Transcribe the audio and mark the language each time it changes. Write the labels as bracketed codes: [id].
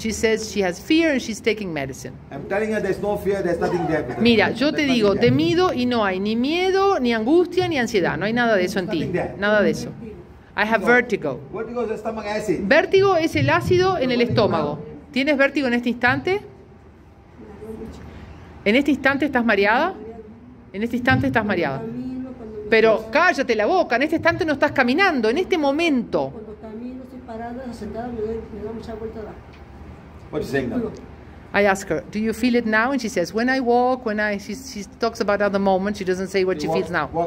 [en] She says she has fear and she's taking medicine. I'm telling her there's no fear, there's nothing there. [es] Mira, yo te digo, temido y no hay ni miedo, ni angustia, ni ansiedad. No hay nada de eso en ti. Nada de eso. [en] I have vertigo. Vertigo is the stomach acid. [es] Vértigo es el ácido en el estómago. ¿Tienes vértigo en este instante? ¿En este instante estás mareada? ¿En este instante estás mareada? Pero cállate la boca, en este instante no estás caminando, en este momento. Cuando camino, estoy parada, sentada, me da mucha vuelta. [en] What are you saying now? I ask her, do you feel it now? And she says, when I walk, she talks about other moments, she doesn't say what she feels now.